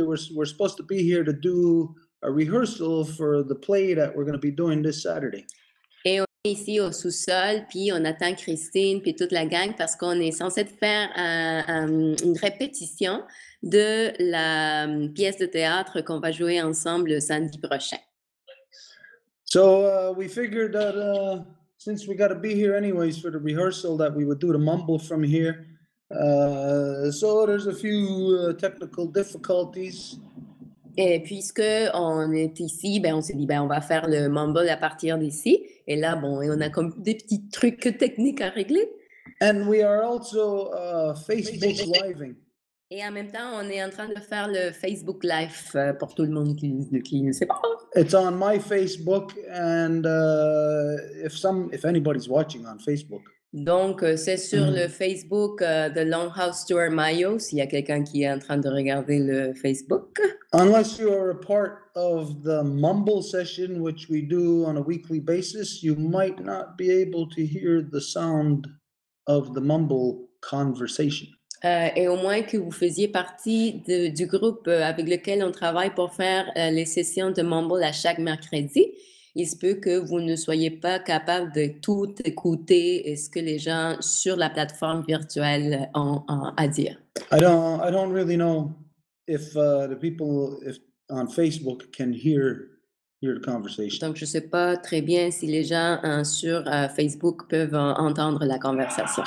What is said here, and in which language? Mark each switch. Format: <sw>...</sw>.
<en>We're supposed to be here to do a rehearsal for the play that we're going to be doing this Saturday.</en> <fr>Et on est ici au sous-sol, puis on attend Christine puis toute la gang parce qu'on est censé faire une répétition de la pièce de théâtre qu'on va jouer ensemble samedi prochain.</fr> <en>So we figured that. Since we got to be here anyways for the rehearsal that we would do the mumble from here. So there's a few technical difficulties.</en> <fr>Et puisque on est ici, ben on s'est dit ben on va faire le mumble à partir d'ici et là bon, on a comme des petits trucs techniques à régler.</fr> <en>And we are also Facebook living.</en> <fr>Et en même temps, on est en train de faire le Facebook Live pour tout le monde qui ne sait pas.</fr> <en>It's on my Facebook and if anybody's watching on Facebook.</en> <fr>Donc, c'est sur le Facebook de Longhouse Stuart Mayo, s'il y a quelqu'un qui est en train de regarder le Facebook.</fr> <en>Unless you are a part of the mumble session, which we do on a weekly basis, you might not be able to hear the sound of the mumble conversation.</en> <fr>Et au moins que vous faisiez partie du groupe avec lequel on travaille pour faire les sessions de mumble à chaque mercredi. Il se peut que vous ne soyez pas capable de tout écouter ce que les gens sur la plateforme virtuelle ont à dire.</fr> <en>I don't really know if the people on Facebook can hear your conversation.</en> <fr>Donc je ne sais pas très bien si les gens sur Facebook peuvent entendre la conversation.</fr>